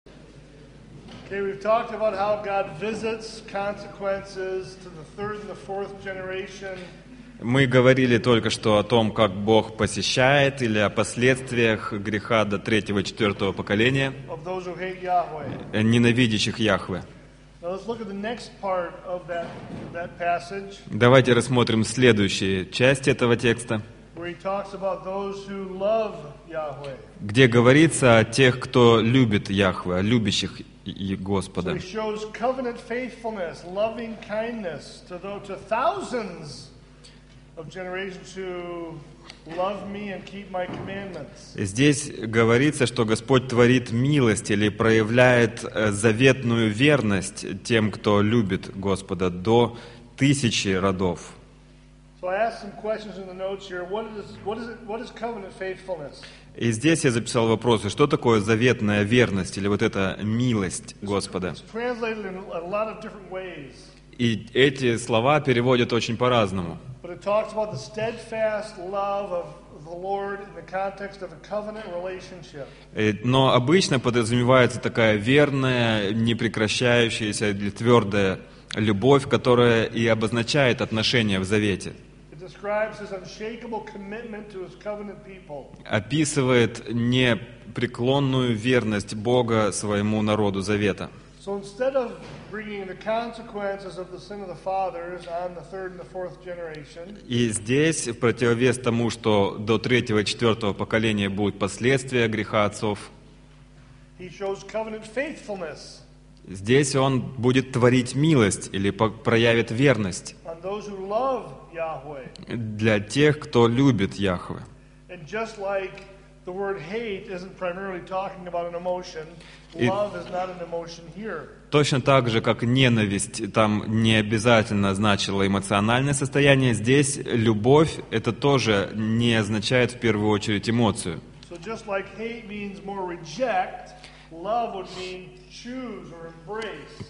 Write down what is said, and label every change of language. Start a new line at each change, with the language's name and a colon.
English: Okay, we've talked about how God visits consequences to the third and the fourth generation.
Russian: Мы говорили только что о том, как Бог посещает или о последствиях греха до третьего, четвертого поколения,
English: of those who hate Yahweh.
Russian: Ненавидящих Яхве.
English: Now let's look at the next part of that passage.
Russian: Давайте рассмотрим следующие части этого текста,
English: where he talks about those who love Yahweh.
Russian: Где говорится о тех, кто любит Яхве, о любящих Господа.
English: So he shows covenant faithfulness, loving kindness to thousands of generations who love me and keep my commandments.
Russian: Здесь говорится, что Господь творит милость или проявляет заветную верность тем, кто любит Господа, до тысячи родов.
English: So I asked some questions in the notes here. What is covenant faithfulness?
Russian: И здесь я записал вопросы, что такое заветная верность или вот эта милость Господа.
English: It's translated in a lot of different ways.
Russian: И эти слова переводят очень по-разному.
English: But it talks about the steadfast love of the Lord in the context of a covenant relationship.
Russian: Но обычно подразумевается такая верная, непрекращающаяся или твердая любовь, которая и обозначает отношения в завете.
English: It describes his unshakable commitment to his covenant people.
Russian: Описывает непреклонную верность Бога своему народу завета.
English: So instead of bringing the consequences of the sin of the fathers on the third and the fourth generation,
Russian: и здесь в противовес тому, что до третьего и четвертого поколения будут последствия греха отцов,
English: he shows covenant faithfulness.
Russian: Здесь он будет творить милость или проявит верность
English: on those who love Yahweh.
Russian: Для тех, кто любит Яхве.
English: And just like the word hate isn't primarily talking about an emotion. Love is not an emotion here.
Russian: Точно так же, как ненависть там не обязательно значила эмоциональное состояние, здесь любовь это тоже не означает в первую очередь эмоцию.
English: So just like hate means more reject, love would mean choose or embrace.